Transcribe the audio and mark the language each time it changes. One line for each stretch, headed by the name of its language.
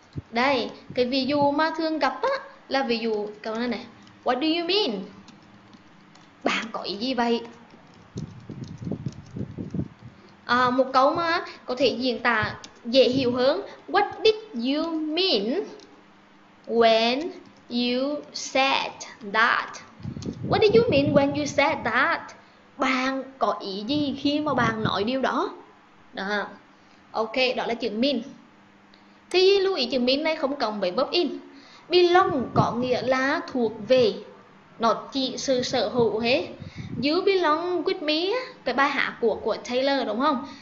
Vietnamese: Đây, cái ví dụ mà thường gặp á, là ví dụ câu này này.
English: What do you mean?
Vietnamese: Bạn có ý gì vậy? À, một câu mà có thể diễn tả dễ hiểu hơn.
English: What did you mean when you said that? What did you mean when you said that?
Vietnamese: Bạn có ý gì khi mà bạn nói điều đó? Đó. Ok, đó là chữ mean. Thì lưu ý chữ mean này không cộng với verb in. Belong có nghĩa là thuộc về, nó chỉ sự sở hữu thế.
English: You belong with me,
Vietnamese: cái bài hát của Taylor đúng không?